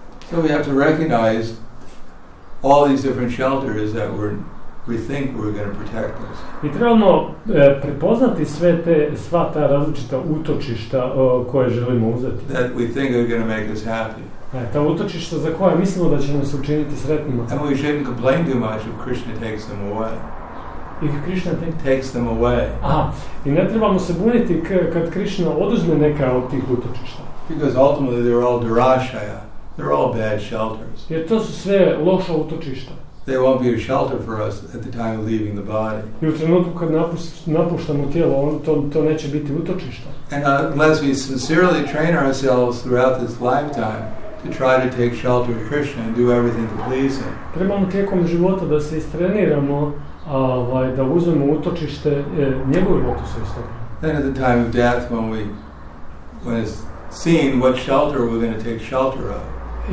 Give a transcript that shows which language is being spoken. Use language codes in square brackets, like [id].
[en] So we have to recognize all these different shelters that we think we're going to protect us. [hr] I trebamo prepoznati sva ta različita utočišta koje želimo uzeti. [en] That we think are going to make us happy. [hr] Ta utočišta za koja mislimo da će nas učiniti sretnima. [en] And we shouldn't complain too much if Krishna takes them away. If Krishna takes them away. [hr] I ne trebamo se buniti kad Krishna oduzme neka od tih utočišta. [en] Because ultimately they're all durashaya. They're all bad shelters. [hr] Jer to su sve loša utočišta. [en] They won't be a shelter for us at the time of leaving the body. [hr] I u trenutku kad napuštamo tijelo, to neće biti utočišta. [en] And unless we sincerely train ourselves throughout this lifetime to try to take shelter of Krishna and do everything to please him. [hr] Trebamo tijekom života da se istreniramo da uzmemo utočište njegove lotusiste. [en] Then at the time of death when it's seen what shelter we're going to take shelter of.